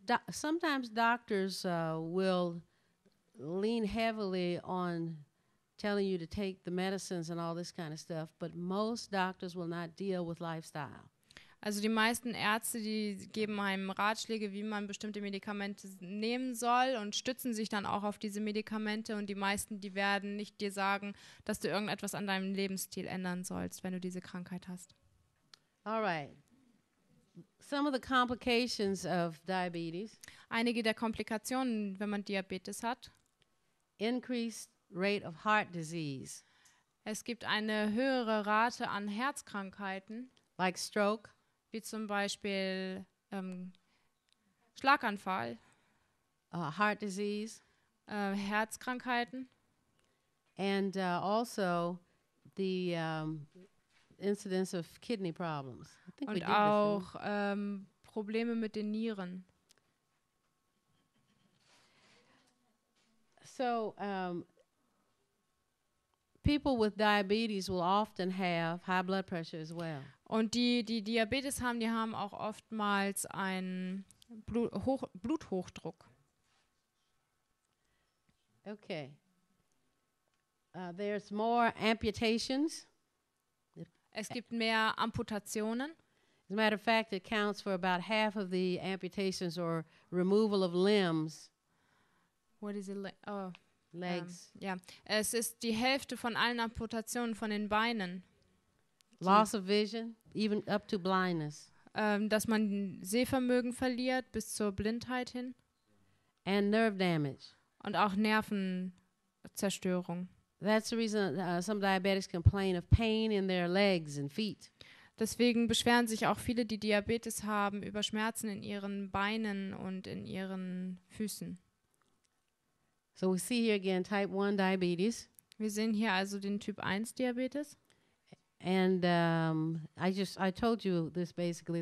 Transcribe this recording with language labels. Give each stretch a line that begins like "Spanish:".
English: Sometimes doctors will lean heavily on telling you to take the medicines and all this kind of stuff, but most doctors will not deal with lifestyle.
German: Also die meisten Ärzte, die geben einem Ratschläge, wie man bestimmte Medikamente nehmen soll und stützen sich dann auch auf diese Medikamente. Und die meisten, die werden nicht dir sagen, dass du irgendetwas an deinem Lebensstil ändern sollst, wenn du diese Krankheit hast.
English: All right. Some of the complications of diabetes.
German: Einige der Komplikationen, wenn man Diabetes hat.
English: Increased rate of heart disease.
German: Es gibt eine höhere Rate an Herzkrankheiten.
English: Like stroke.
German: Wie zum Beispiel Schlaganfall,
English: Heart disease,
German: Herzkrankheiten,
English: and also the incidence of kidney problems. I think
German: und
English: we did
German: auch Probleme mit den Nieren.
English: So people with diabetes will often have high blood pressure as well.
German: Und die, die Diabetes haben, die haben auch oftmals einen Bluthochdruck.
English: Okay. There's more amputations.
German: Es gibt mehr Amputationen.
English: As a matter of fact, it counts for about half of the amputations or removal of limbs. What is it? Oh. Legs. Yeah.
German: Es ist die Hälfte von allen Amputationen von den Beinen.
English: Loss of vision, even up to blindness.
German: Dass man Sehvermögen verliert bis zur Blindheit hin.
English: And nerve damage.
German: Und auch Nervenzerstörung.
English: That's the reason some diabetics complain of pain in their legs and feet.
German: Deswegen beschweren sich auch viele, die Diabetes haben, über Schmerzen in ihren Beinen und in ihren Füßen.
English: So we see here again type 1 diabetes.
German: Wir sehen hier also den Typ 1 Diabetes.
English: And I told you this basically.